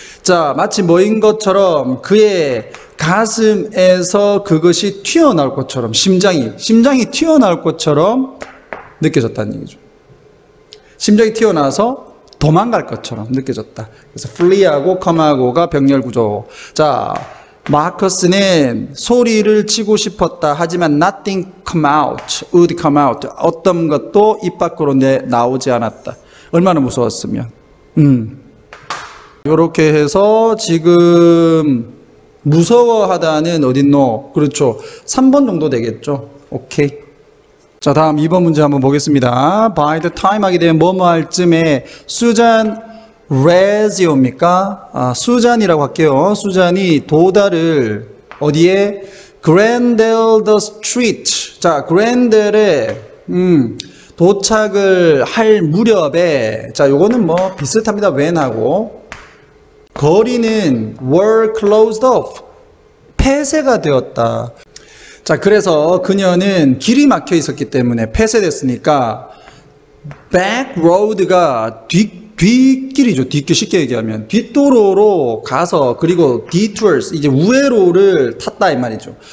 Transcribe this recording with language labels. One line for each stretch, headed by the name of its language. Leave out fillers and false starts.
Korean: 자, 마치 뭐인 것처럼 그의 가슴에서 그것이 튀어나올 것처럼, 심장이 튀어나올 것처럼 느껴졌다는 얘기죠. 심장이 튀어나와서 도망갈 것처럼 느껴졌다. 그래서 flee하고 come하고가 병렬 구조. 자, 마커스는 소리를 치고 싶었다. 하지만
English: nothing come out, would come out.
Korean: 어떤 것도 입 밖으로 나오지 않았다. 얼마나 무서웠으면. 이렇게 해서 지금 무서워하다는 어딨노? 그렇죠. 3번 정도 되겠죠. 오케이. 자, 다음 2번 문제 한번 보겠습니다. By the time 하게 되면 뭐뭐 할 쯤에 수잔 레지오입니까? 아, 수잔이라고 할게요. 수잔이 도달을 어디에?
English: Grandel the street.
Korean: 자, Grandel에 도착을 할 무렵에, 자, 요거는 뭐 비슷합니다. when하고. 거리는
English: were closed off.
Korean: 폐쇄가 되었다. 자, 그래서 그녀는 길이 막혀 있었기 때문에 폐쇄됐으니까 back road가 뒷길이죠. 뒷길 쉽게 얘기하면 뒷도로로 가서 그리고 detours 이제 우회로를 탔다 이 말이죠.